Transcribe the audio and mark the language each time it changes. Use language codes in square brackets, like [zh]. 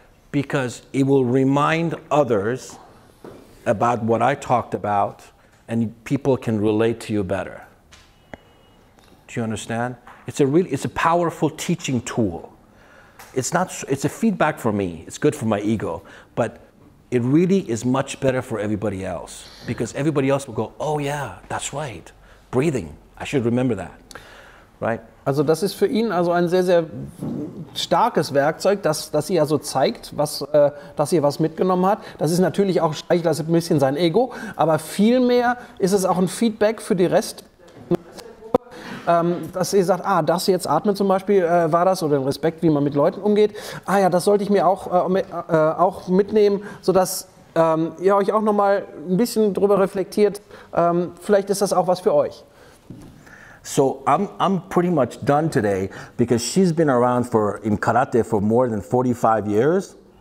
[en] Because it will remind others about what I talked about and people can relate to you better. Do you understand? It's a powerful teaching tool. It's a feedback for me. It's good for my ego, but it really is much better for everybody else because everybody else will go, oh yeah, that's right. Breathing, I should remember that, right? [de] Also das ist für ihn also ein sehr, sehr starkes Werkzeug, das ihr also zeigt, dass ihr was mitgenommen habt. Das ist natürlich auch das ist ein bisschen sein Ego, aber vielmehr ist es auch ein Feedback für die Rest, dass ihr sagt, ah, das jetzt atmen zum Beispiel war das, oder den Respekt, wie man mit Leuten umgeht. Ah ja, das sollte ich mir auch mitnehmen, sodass ihr euch auch nochmal ein bisschen drüber reflektiert. Vielleicht ist das auch was für euch. [en] So I'm pretty much done today because she's been around in karate for more than 45 years.